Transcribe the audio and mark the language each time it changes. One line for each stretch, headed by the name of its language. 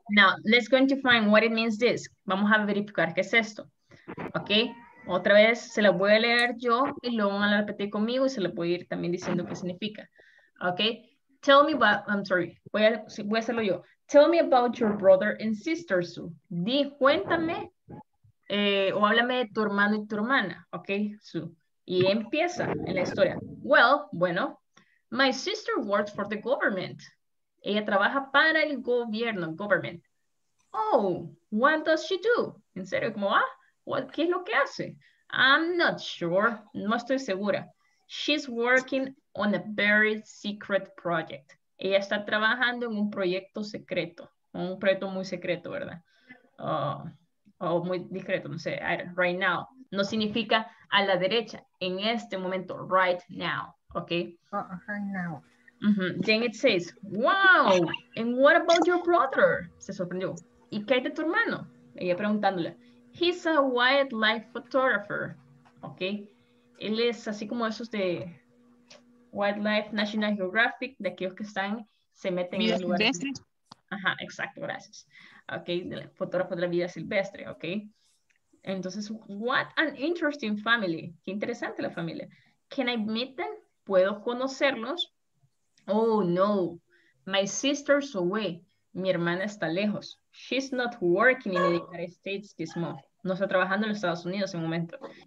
English: Now let's go to find what it means this.
Spanish: Vamos a verificar qué es esto. Ok. Otra vez se la voy a leer yo y luego van a repetir conmigo y se la voy a ir también diciendo qué significa.
English: Ok. Tell me about, I'm sorry.
Spanish: Voy a hacerlo yo.
English: Tell me about your brother and sister, Sue.
Spanish: Di, cuéntame. O háblame de tu hermano y tu hermana, ¿ok, Sue? Y empieza en la historia.
English: Well,
Spanish: bueno,
English: my sister works for the government.
Spanish: Ella trabaja para el gobierno, government.
English: Oh, what does she do?
Spanish: ¿En serio? ¿Cómo va?
English: What,
Spanish: ¿qué es lo que hace?
English: I'm not sure,
Spanish: no estoy segura.
English: She's working on a very secret project.
Spanish: Ella está trabajando en un proyecto secreto, un proyecto muy secreto, ¿verdad? O muy discreto, no sé,
English: right now.
Spanish: No significa a la derecha, en este momento,
English: right now,
Spanish: ¿ok?
English: Right now. Then it says, wow, and what about your brother?
Spanish: Se sorprendió. ¿Y qué hay de tu hermano? Ella preguntándole.
English: He's a wildlife photographer,
Spanish: ¿ok? Él es así como esos de Wildlife National Geographic, de aquellos que están, se meten en el lugar. Ajá, exacto, gracias. Ok, el fotógrafo de la vida silvestre, ok.
English: Entonces, what an interesting family.
Spanish: Qué interesante la familia.
English: Can I meet them?
Spanish: ¿Puedo conocerlos?
English: Oh, no. My sister's away.
Spanish: Mi hermana está lejos.
English: She's not working in the United States this month.
Spanish: No está trabajando en los Estados Unidos en un momento.